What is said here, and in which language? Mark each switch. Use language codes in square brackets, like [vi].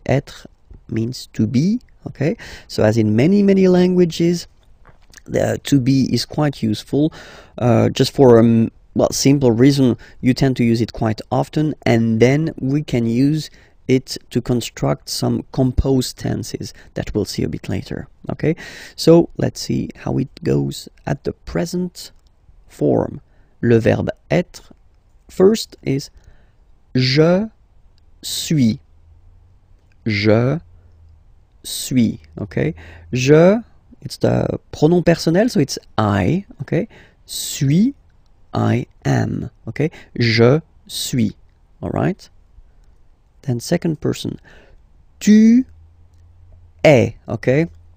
[en] Être means to be, okay? So as in many, many languages, to be is quite useful, just for a simple reason, you tend to use it quite often, and then we can use it to construct some composed tenses that we'll see a bit later, okay? So let's see how it goes at the present form. [fr] Le verbe être [en] first is [fr] je suis, je suis, okay? [en] Je, it's the pronom personnel, so it's I, okay? Suis, I am, okay? [fr] Je suis, [en] all right? Then second person, [fr] tu es, [en] okay?